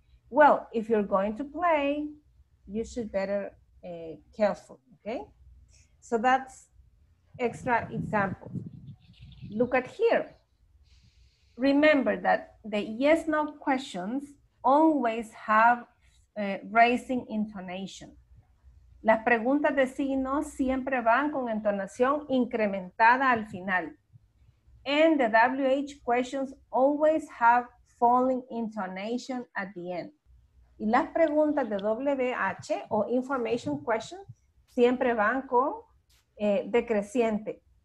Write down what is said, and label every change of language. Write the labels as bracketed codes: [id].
[en] Well, if you're going to play, you should better careful, okay? So that's extra example. Look at here. Remember that the yes, no questions always have raising intonation. [es] Las preguntas de sí y no siempre van con entonación incrementada al final. [en] And the WH questions always have falling intonation at the end. [es] Y las preguntas de WH o information questions siempre van con decreciente.